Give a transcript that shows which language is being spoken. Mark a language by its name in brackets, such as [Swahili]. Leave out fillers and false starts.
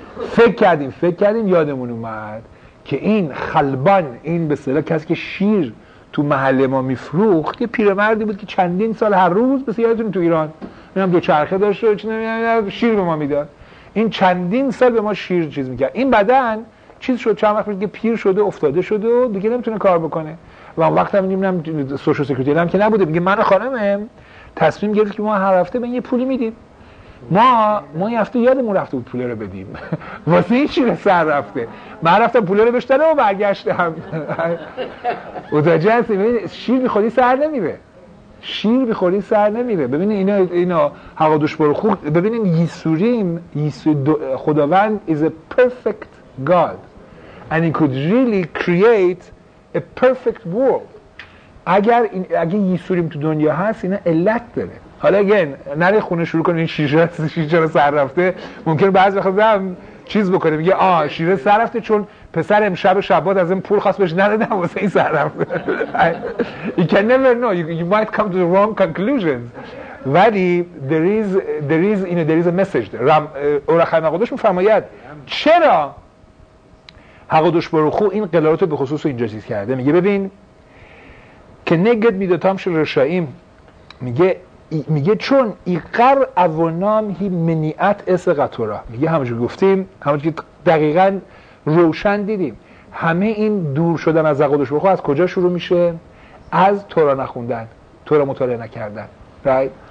[Persian] فکر کردیم یادمون اومد که این خلبان، این به اصطلاح کسی که شیر تو محله ما میفروخت، یه پیرمردی بود که چندین سال هر روز به سیارتون تو ایران میام دو چرخه داشت و شیر به ما میداد، این چندین سال به ما شیر چیز میکرد، این بدن چیز شد چند وقت که پیر شده افتاده شده و دیگه نمیتونه کار بکنه، و اون وقت هم نمیدونم سوشال سکیوریتی هم که نبوده، میگه من خانمم تصمیم گرفت که ما هر هفته به این یه پولی میدیم، ما این هفته یادمون رفته بود پوله رو بدیم واسه این چیره سر رفته، من رفتم پوله رو بشتره و برگشتم و دجنسی ببینید شیر بی خودی سر نمیره، شیر بی خودی سر نمیره. ببینید اینا حقا دوش برو خور، ببینید یسوریم خداوند [English] is a perfect God and he could really create a perfect world. [Persian] اگر این اگه یسوریم تو دنیا هست اینا علت داره، حالا اگر نره خونه شروع کنه این شیره سر رفته، ممکنه بعض وقت هم چیز بکنه میگه آه شیره سر رفته چون پسر امشب شبات از این پول خواست بهش ندادم واسه این سر رفته. [English] You can never know, you might come to the wrong conclusions. [Persian] ولی [English] there is a message there. [Persian] اورخیم حقادوش میفرماید چرا حقادوش بروخو این قلالاتو به خصوص اینجا چیز کرده، میگه ببین که نگد میدوتامش رشاییم، میگه چون ایقر اوانام هی منیعت اس قطورا، میگه همونجوری گفتیم همونجوری دقیقاً روشن دیدیم همه این دور شدن از قدوش برخو از کجا شروع میشه، از تورا نخوندن، تورا مطالعه نکردن، [English] right.